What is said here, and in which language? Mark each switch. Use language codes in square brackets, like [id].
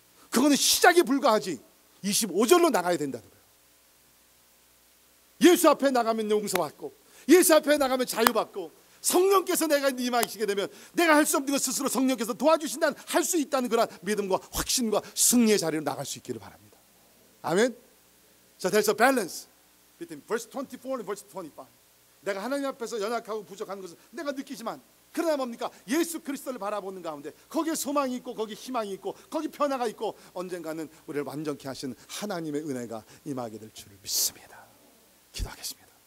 [ko] 그거는 시작이 불과하지 25절로 나가야 된다는 거예요. 예수 앞에 나가면 용서받고 예수 앞에 나가면 자유받고 성령께서 내가 임하시게 되면 내가 할 수 없는 것 스스로 성령께서 도와주신다는 할 수 있다는 그런 믿음과 확신과 승리의 자리로 나갈 수 있기를 바랍니다. 아멘. [en] 자, there's a balance between verse 24 and verse 25. [ko] 내가 하나님 앞에서 연약하고 부족한 것을 내가 느끼지만 그러나 뭡니까? 예수 그리스도를 바라보는 가운데 거기에 소망이 있고 거기 희망이 있고 거기 변화가 있고 언젠가는 우리를 완전케 하시는 하나님의 은혜가 임하게 될 줄을 믿습니다. 기도하겠습니다.